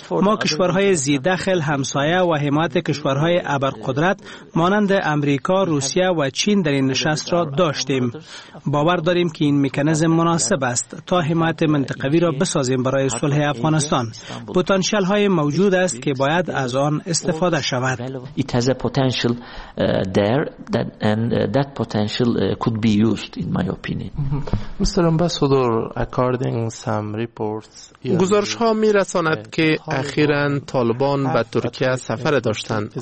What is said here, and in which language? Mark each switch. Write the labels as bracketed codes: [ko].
[fa] ما کشورهای زیردخل، همسایه و حمایت کشورهای ابرقدرت مانند آمریکا، روسیه و چین در این نشست را داشتیم. باور داریم که این مکانیزم مناسب است تا حمایت منطقوی را بسازیم برای صلح افغانستان. پتانسیل های موجود است که باید از آن استفاده شود. [en] It has a potential there that and that potential could be used in my opinion. Mr. Ambassador, according some reports, [fa] گزارش ها می رساند که اخیراً طالبان به ترکیه سفر داشتند.